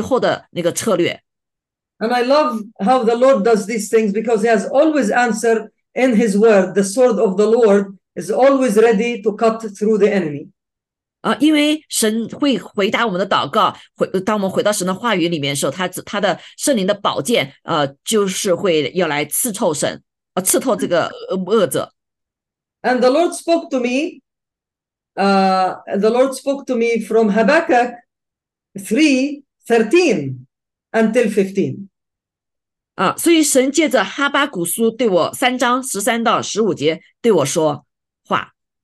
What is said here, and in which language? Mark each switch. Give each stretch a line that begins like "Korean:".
Chinese: 所以我就跟神祷告说，我们如何的借着祷告，再回到这里的时候，能够来取消他们这个行为，他们跟他们的这个偶像的背后的那个策略。
English: And I love how the Lord does these things because He has always answered in His word. The sword of the Lord is always ready to cut through the enemy.
Chinese: 因为神会回答我们的祷告，当我们回到神的话语里面的时候，他的圣灵的宝剑，就是会要来刺透神，刺透这个恶者。
English: And the Lord spoke to me, the Lord spoke to me from Habakkuk 3:13-15.
Chinese: 所以神借着哈巴谷书对我3章13到15节对我说话。